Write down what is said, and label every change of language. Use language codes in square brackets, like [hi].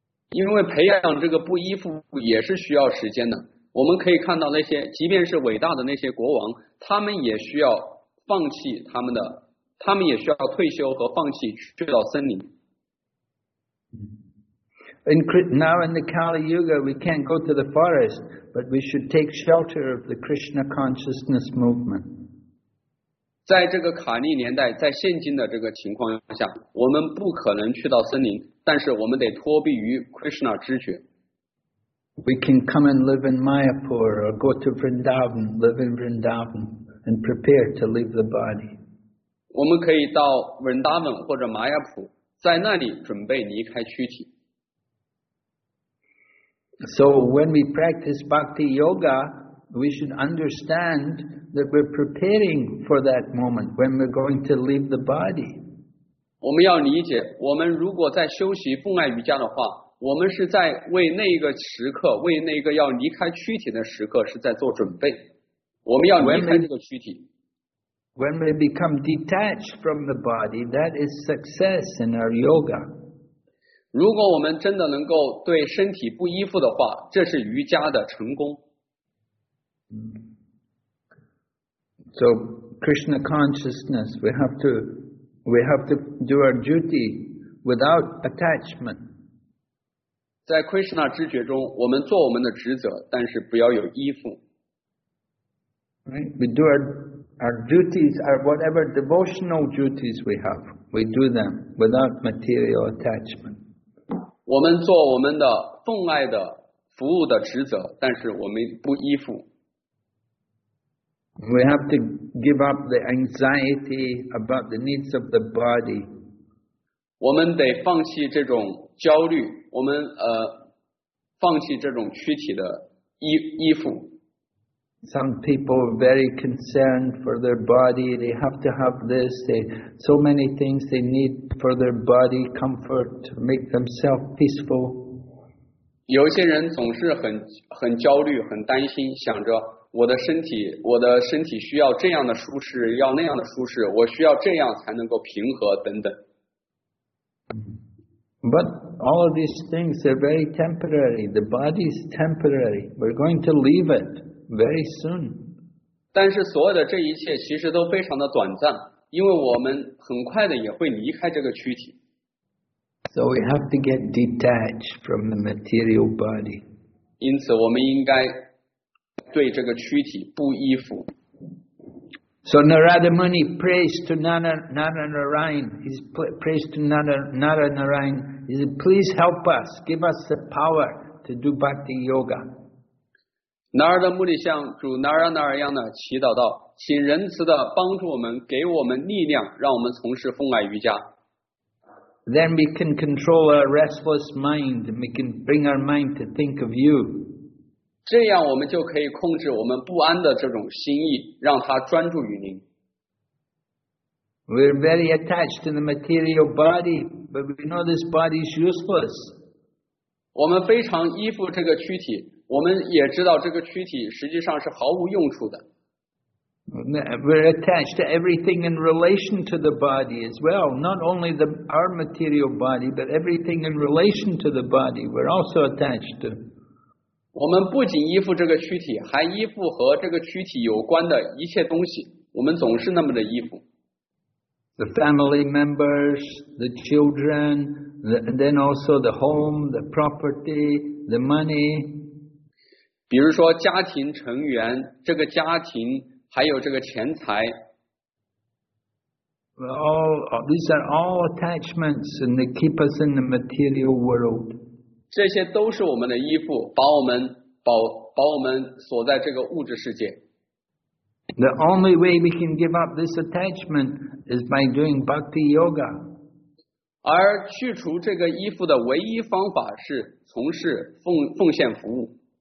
[zh] 因为培养这个不依附也是需要时间的。我们可以看到那些，即便是伟大的那些国王，他们也需要放弃他们的，他们也需要退休和放弃去到森林。 [en] Now in the Kali Yuga, we can't go to the forest, but we should take shelter of the Krishna consciousness movement. [zh] 在这个卡利年代，在现今的这个情况下，我们不可能去到森林，但是我们得脱避于 Krishna 知觉。 [en] We can come and live in Mayapur or go to Vrindavan, live in Vrindavan, and prepare to leave the body. [zh] 我们可以到 Vrindavan 或者 Mayapur, 在那里准备离开躯体。 [en] So when we practice bhakti yoga, we should understand that we're preparing for that moment when we're going to leave the body. [zh] 我们要理解，我们如果在修习奉爱瑜伽的话，我们是在为那个时刻，为那个要离开躯体的时刻是在做准备。我们要离开这个躯体。 [en] When we become detached from the body, that is success in our yoga. [zh] 如果我们真的能够对身体不依附的话，这是瑜伽的成功。 [en] So Krishna consciousness, we have to do our duty without attachment. [zh] 在 Krishna 知觉中，我们做我们的职责，但是不要有依附。 [en] Right? We do our duties, our whatever devotional duties we have, we do them without material attachment. [zh] 我们做我们的奉爱的服务的职责，但是我们不依附。 [en] We have to give up the anxiety about the needs of the body. [zh] 我们得放弃这种焦虑，我们放弃这种躯体的依附。 [en] Some people are very concerned for their body. They have to have this. So many things they need for their body comfort to make themselves peaceful. [zh] 有些人总是很焦虑，很担心，想着我的身体需要这样的舒适，要那样的舒适，我需要这样才能够平和等等。 [en] But all of these things are very temporary. The body is temporary. We're going to leave it. Very soon. [zh] 但是所有的这一切其实都非常的短暂，因为我们很快的也会离开这个躯体。 [en] So we have to get detached from the material body. [zh] 因此我们应该对这个躯体不依附。 [en] So Narada Muni prays to Narayan. He's prays to Narayan. He says, "Please help us. Give us the power to do bhakti yoga." [zh] 南尔的目的像主南尔那样的祈祷道，请仁慈的帮助我们，给我们力量，让我们从事奉爱瑜伽。 [en] Then we can control our restless mind, and we can bring our mind to think of you. [zh] 这样我们就可以控制我们不安的这种心意，让它专注于您。 [en] We're very attached to the material body, but we know this body is useless. [zh] 我们非常依附这个躯体。我们也知道这个躯体实际上是毫无用处的。 [en] We're attached to everything in relation to the body as well, not only our material body, but everything in relation to the body we're also attached to. [zh] 我们不仅依附这个躯体，还依附和这个躯体有关的一切东西，我们总是那么的依附。 [en] The family members, the children, and then also the home, the property, the money, [zh] 比如说家庭成员，这个家庭还有这个钱财。 [en] All these are all attachments, and they keep us in the material world. [zh] 这些都是我们的依附，把我们锁在这个物质世界。 [en] The only way we can give up this attachment is by doing bhakti yoga. [zh] 而去除这个依附的唯一方法是从事奉献服务。